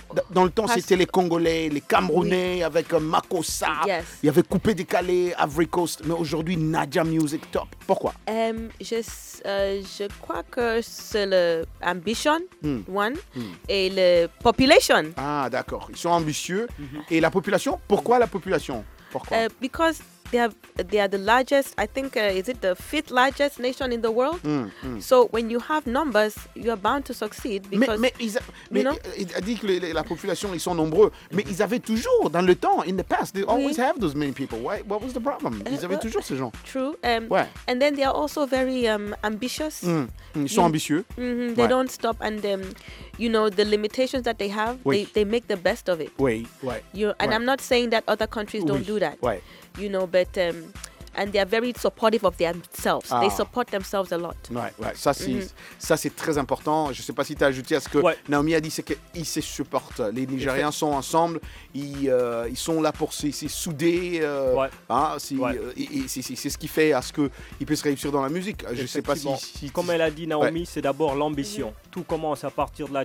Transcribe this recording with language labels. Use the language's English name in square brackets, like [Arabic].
[French] Dans le temps, c'était les Congolais, les Camerounais avec Makossa. [English] Yes. [French] Il y avait Coupé Décalé, Ivory Coast. Mais aujourd'hui, Nadja Music Top. Pourquoi? Je crois que c'est l'ambition, et la population. Ah, d'accord. Ils sont ambitieux. Mm-hmm. Et la population? Pourquoi la population? Pourquoi? [English] Because they are the largest, I think, is it the fifth largest nation in the world? So when you have numbers, you are bound to succeed. Because, [French] Il a dit que la population, ils sont nombreux. Mais ils avaient toujours, dans le temps, [English] in the past, they always have those many people. Why? What was the problem? [French] Ils avaient toujours ces gens. [English] True. [French] Ouais. [English] And then they are also very ambitious. [French] Ils sont ambitieux. [English] They don't stop. And you know, the limitations that they have, they make the best of it. [French] Oui. [English] I'm not saying that other countries don't do that. [French] Oui. [English] You know, but and they are very supportive of themselves. Ah. They support themselves a lot. [French] Ouais. Ça c'est très important. Je sais pas si tu as ajouté à ce que Naomi a dit, c'est qu'ils se supportent. Les Nigériens sont ensemble. Ils sont là pour s'y souder. C'est ce qui fait à ce que ils puissent réussir dans la musique. Je sais pas si comme elle a dit Naomi, c'est d'abord l'ambition. Tout commence à partir de là.